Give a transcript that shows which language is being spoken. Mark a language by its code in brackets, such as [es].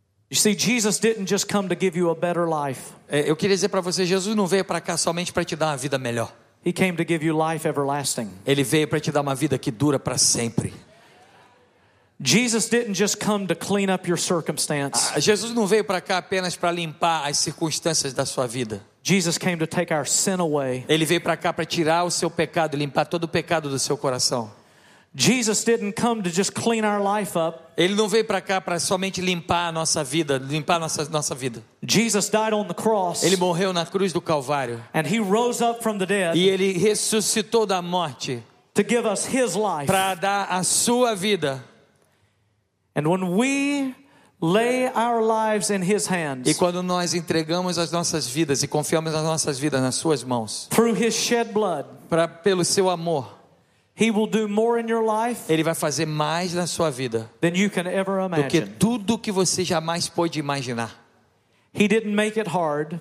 [en] You see, Jesus didn't just come to give you a better life. [pt] Eu queria dizer para você, Jesus não veio para cá somente para te dar uma vida melhor. [en] He came to give you life everlasting. [pt] Ele veio para te dar uma vida que dura para sempre. [en] Jesus didn't just come to clean up your circumstance. [pt] Jesus não veio para cá apenas para limpar as circunstâncias da sua vida. [en] Jesus came to take our sin away. [pt] Ele veio para cá para tirar o seu pecado e limpar todo o pecado do seu coração. [en] Jesus didn't come to just clean our life up. [pt] Ele não veio para cá para somente limpar a nossa vida, limpar nossa vida. [en] Jesus died on the cross. [pt] Ele morreu na cruz do Calvário. [en] And he rose up from the dead. [pt] E ele ressuscitou da morte. [en] To give us his life. [pt] Para dar a sua vida. [en] And when we lay our lives in his hands. [pt] E quando nós entregamos as nossas vidas e confiamos as nossas vidas nas suas mãos. [en] Through his shed blood. [pt] Para pelo seu amor. [en] He will do more in your life. [pt] Ele vai fazer mais na sua vida. [en] Than you can ever imagine. [pt] Do que tudo que você jamais pôde imaginar. [en] He didn't make it hard.